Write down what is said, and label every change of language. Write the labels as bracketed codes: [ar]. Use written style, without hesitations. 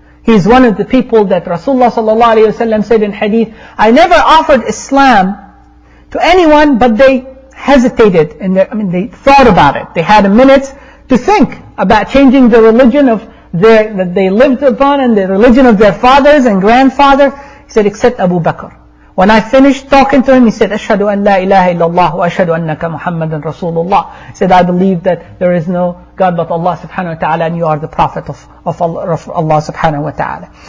[en] He is one of the people that Rasulullah sallallahu alayhi wa sallam said in hadith, I never offered Islam to anyone but they hesitated in their, I mean they thought about it. They had a minute to think about changing the religion of their, that they lived upon and the religion of their fathers and grandfather. He said, except Abu Bakr. When I finished talking to him, he said, [ar] أشهد أن لا إله إلا الله وأشهد أنك محمد رسول الله. [en] He said, I believe that there is no God but Allah subhanahu wa ta'ala and you are the prophet of Allah subhanahu wa ta'ala.